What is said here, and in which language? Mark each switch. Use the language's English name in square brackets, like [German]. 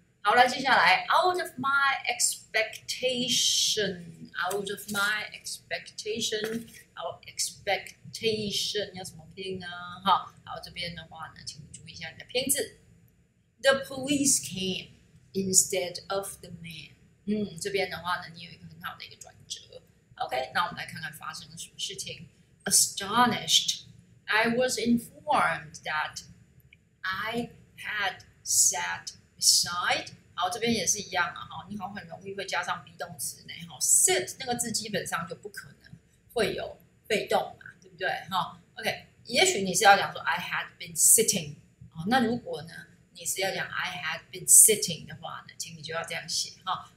[Chinese] 好了，接下来 ， [English] out of my expectation， out of my expectation， out expectation [Chinese] 要怎么拼呢？哈，好，这边的话呢，请注意一下你的拼字。 [English] The police came instead of the man。 [Chinese] 这边的话呢，你有一个很好的一个转折。OK， 那我们来看看发生了什么事情。 [English] Astonished, I was informed that I had sat beside。 [Chinese] 好，这边也是一样啊，哈，你好，很容易会加上 be 动词呢，哈 ，sit 那个字基本上就不可能会有被动嘛，对不对？哈 ，OK， 也许你是要讲说 [English] I had been sitting， [Chinese] 啊，那如果呢？你是要讲 [English] I had been sitting [Chinese] 的话呢，请你就要这样写哈。